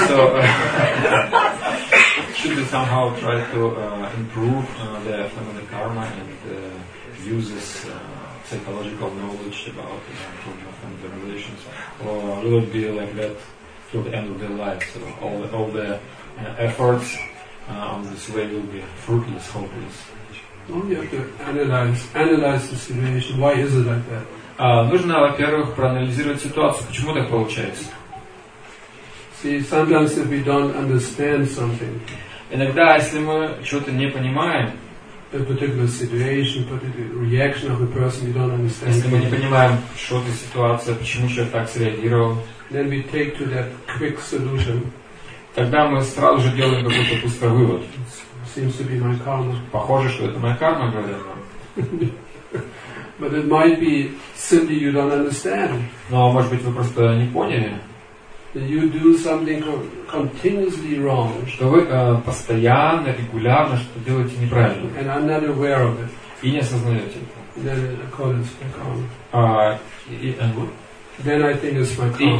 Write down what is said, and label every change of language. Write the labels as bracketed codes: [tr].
[en] So, should they somehow try to improve their family karma and use this psychological knowledge about family relations? Or will it be like that till the end of their life? So all the efforts on this way will be fruitless, hopeless. Well, you have to analyze the situation. Why is it like that? [ru] Нужно, во-первых, проанализировать ситуацию, почему так получается. [en] See, sometimes if we don't understand something. [ru] Иногда, если мы чего-то не понимаем, [en] a particular situation, particular reaction of the person, we don't understand. [ru] Если мы не понимаем, что это ситуация, почему человек так среагировал, [en] then we take to that quick solution. [ru] Тогда мы сразу же делаем какой-то быстрый вывод. [en] Seems to be my karma. [ru] Похоже, что это моя карма, говорят нам. [en] But it might be simply you don't understand. [ru] Но, может быть, вы просто не поняли. [en] That you do something continuously wrong. [ru] Что вы постоянно, регулярно что делаете неправильно. [en] And I'm not aware of it. [ru] И не осознаете это. [en] Then it according to my karma. Then I think it's my karma.